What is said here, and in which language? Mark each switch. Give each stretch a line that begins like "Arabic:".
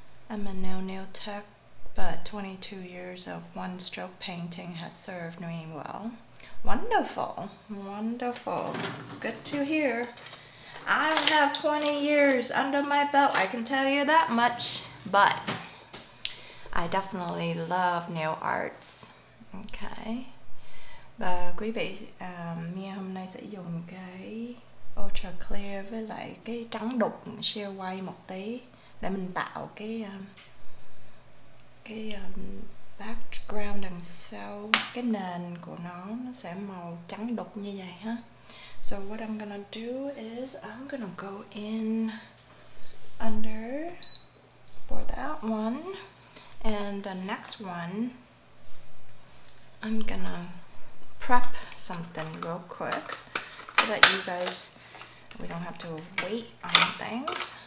English: I'm a no-nail tech, but 22 years of one-stroke painting has served me well. Wonderful, wonderful. Good to hear. I don't have 20 years under my belt, I can tell you that much, but I definitely love nail arts, okay?
Vietnamese: Và quý vị, Mia hôm nay sẽ dùng cái ultra clear với lại cái trắng đục siêu quay một tí để mình tạo cái background đằng sau, cái nền của nó sẽ màu trắng đục như vậy ha.
English: So what I'm gonna do is I'm gonna go in under for that one. And the next one, I'm gonna prep something real quick so that you guys, we don't have to wait on things.